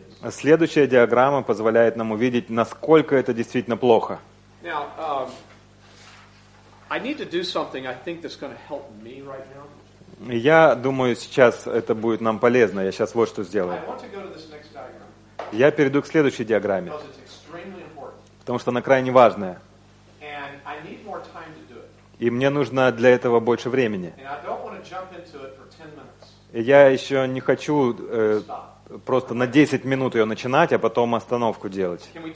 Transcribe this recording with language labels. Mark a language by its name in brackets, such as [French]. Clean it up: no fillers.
[Russian] Следующая диаграмма позволяет нам увидеть, насколько это действительно плохо. [English] Now, I need to do something I think that's going to help me right now. [Russian] Я думаю, сейчас это будет нам полезно. Я сейчас вот что сделаю. [English] I want to go to this next diagram. [Russian] Я перейду к следующей диаграмме. [English] Because it's extremely important. [Russian] Потому что она крайне важная. [English] And I need more time to do it. [Russian] И мне нужно для этого больше времени. [English] And I don't want to jump into it for 10 minutes. [Russian] Я еще не хочу... просто на 10 минут ее начинать, а потом остановку делать.